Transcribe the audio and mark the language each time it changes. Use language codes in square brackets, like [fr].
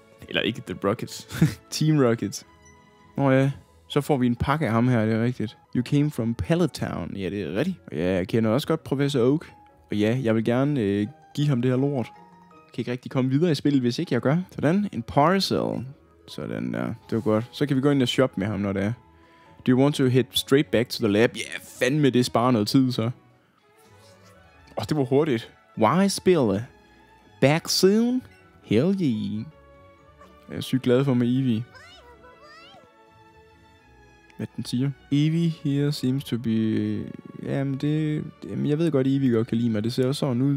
[da] Eller ikke The Rockets. Team Rockets. Nå ja, så får vi en pakke af ham her, det er rigtigt. [en] You came from Pallet Town. [da] Ja, det er rigtigt. Og ja, jeg kender også godt Professor Oak. Og ja, jeg vil gerne give ham det her lort. Jeg kan ikke rigtig komme videre i spillet, hvis ikke jeg gør. Sådan, en Parcel. Sådan der, det var godt. Så kan vi gå ind og shoppe med ham, når det er. [en] Do you want to head straight back to the lab? [da] Ja, fandme, det sparer noget tid, så. Åh, det var hurtigt. [en] Why spill it? Back soon? Hell yeah. [da] Jeg er sygt glad for med Eevee. Hvad den siger? [en] Eevee here seems to be... [da] Jamen, det, jeg ved godt, Eevee godt kan lide mig. Det ser også sådan ud.